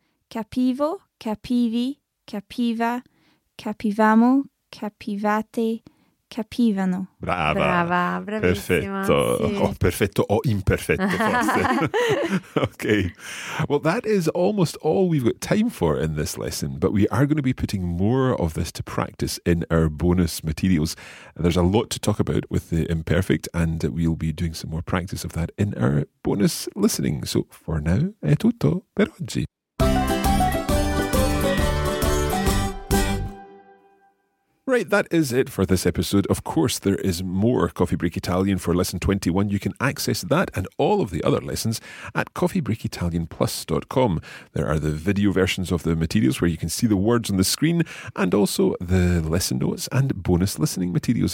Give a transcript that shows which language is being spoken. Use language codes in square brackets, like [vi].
[it] Capivo, capivi, capiva, capivamo, capivate, capivano. Brava. Brava, bravissima. Perfetto. Sì. Oh, perfetto o imperfetto, forse. [en] Okay. Well, that is almost all we've got time for in this lesson, but we are going to be putting more of this to practice in our bonus materials. There's a lot to talk about with the imperfect, and we'll be doing some more practice of that in our bonus listening. So for now, [it] è tutto per oggi. [en] Right, that is it for this episode. Of course, there is more Coffee Break Italian for Lesson 21. You can access that and all of the other lessons at coffeebreakitalianplus.com. There are the video versions of the materials where you can see the words on the screen, and also the lesson notes and bonus listening materials.